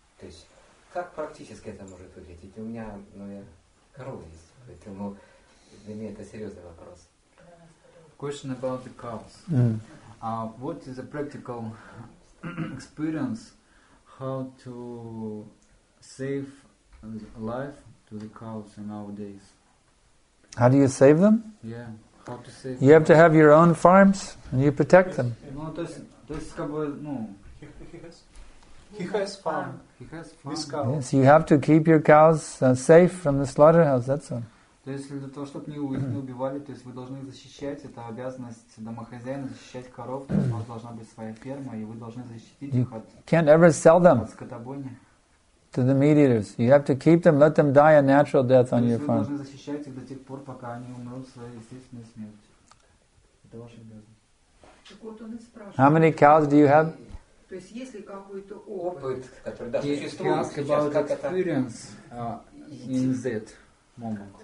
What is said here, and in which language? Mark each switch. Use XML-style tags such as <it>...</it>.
<ru>То есть, как практически это может выглядеть? У меня, ну, я коров есть, поэтому для меня это серьезный вопрос.</ru> <en>Question about the cows. What is the practical experience how to save life to the cows in our days? How do you save them? Yeah. How to save them? You have to have your own farms and you protect them. No, this is kind of, no. He has farm. Yes, you have to keep your cows safe from the slaughterhouse, that's all.</en> <ru>То есть для того, чтобы их не убивали, то есть вы должны защищать, это обязанность домохозяина защищать коров, то есть у вас должна быть своя ферма, и вы должны защитить их от скотобойни.</ru> <en>Can't ever sell them</en> <ru>скотобойни.</ru> <en>To the meat eaters. You have to keep them, let them die a natural death on your farm.</en> <ru>Вы должны защищать их до тех пор, пока они умрут своей естественной смертью. Это ваша обязанность.</ru> <en>How many cows do you have?</en> <ru>То есть есть ли какой-то опыт, который существует сейчас, как это?</ru> <en>Experience in that moment.</en>